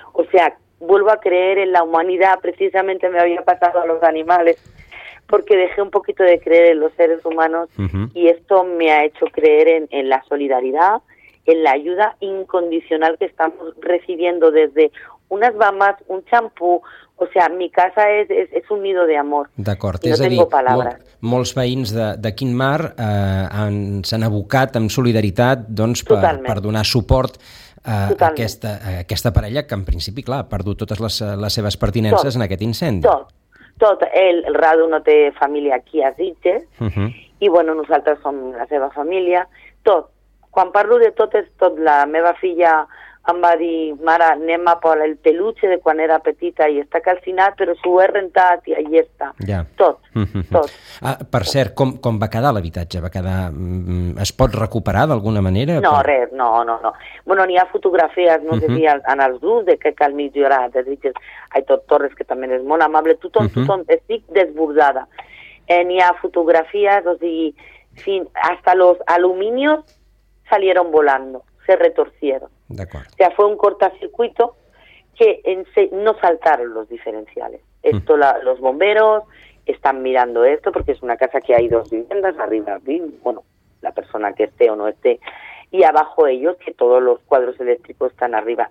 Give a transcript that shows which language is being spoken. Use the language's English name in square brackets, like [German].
[Spanish] O sea, vuelvo a creer en la humanidad, precisamente me había pasado a los animales, porque dejé un poquito de creer en los seres humanos uh-huh. y esto me ha hecho creer en la solidaridad, en la ayuda incondicional que estamos recibiendo desde unas bambas, un champú, o sea, mi casa es un nido de amor. [Catalan] D'acord, no és [Spanish] tengo [Catalan] a dir, [Spanish] palabras. [Catalan] Molts veïns de Quimar s'han abocat amb solidaritat doncs, per donar suport a aquesta parella que, en principi, clar, ha perdut totes les seves pertinences tot, en aquest incendi. Tot. El Radu no té família aquí a Sitges, uh-huh. i bueno, nosaltres som la seva família. Tot. Quan parlo de tot, és tot. La meva filla em va dir, mare, anem [Spanish] a por [Catalan] el peluche de quan era petita i està calcinat, però s'ho he rentat i allà està. Ja. Tot. Uh-huh. Tot. Ah, per cert, com va quedar l'habitatge? Va quedar... es pot recuperar d'alguna manera? No, res, no. Bueno, n'hi ha fotografies, no sé si en els grups de què cal millorar. De dir que Aitor Torres, que també és molt amable, tothom estic desbordada. N'hi ha fotografies, o sigui, [Spanish] hasta los aluminios salieron volando, se retorcieron. [Catalan] D'acord. [Spanish] O sea, fue un cortocircuito que no saltaron los diferenciales. Esto los bomberos están mirando esto porque es una casa que hay 2 viviendas arriba, bueno, la persona que esté o no esté, y abajo ellos, que todos los cuadros eléctricos están arriba.